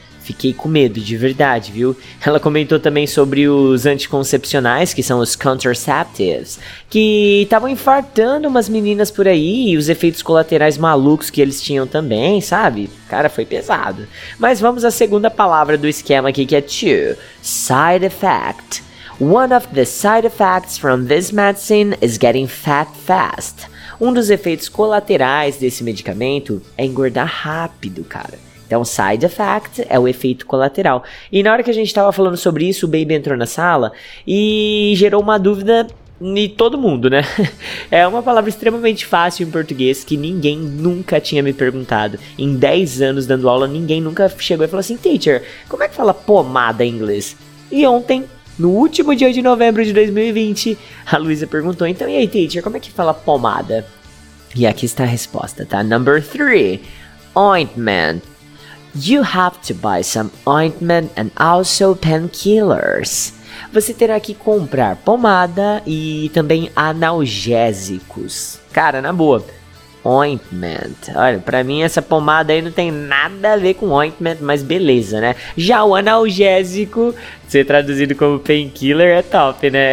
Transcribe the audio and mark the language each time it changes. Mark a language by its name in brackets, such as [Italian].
[Portuguese] Fiquei com medo, de verdade, viu? Ela comentou também sobre os anticoncepcionais, que são os contraceptives, que estavam infartando umas meninas por aí, e os efeitos colaterais malucos que eles tinham também, sabe? Cara, foi pesado. Mas vamos à segunda palavra do esquema aqui, que é two. [English] Side effect. One of the side effects from this medicine is getting fat fast. [Portuguese] Um dos efeitos colaterais desse medicamento é engordar rápido, cara. Então, side effect é o efeito colateral. E na hora que a gente tava falando sobre isso, o Baby entrou na sala e gerou uma dúvida em todo mundo, né? É uma palavra extremamente fácil em português que ninguém nunca tinha me perguntado. Em 10 anos dando aula, ninguém nunca chegou e falou assim, teacher, como é que fala pomada em inglês? E ontem, no último dia de novembro de 2020, a Luísa perguntou, então, e aí, teacher, como é que fala pomada? E aqui está a resposta, tá? [English] Number 3, ointment. You have to buy some ointment and also painkillers. [Portuguese] Você terá que comprar pomada e também analgésicos. Cara, na boa. Ointment. Olha, pra mim essa pomada aí não tem nada a ver com ointment, mas beleza, né? Já o analgésico, ser traduzido como painkiller é top, né?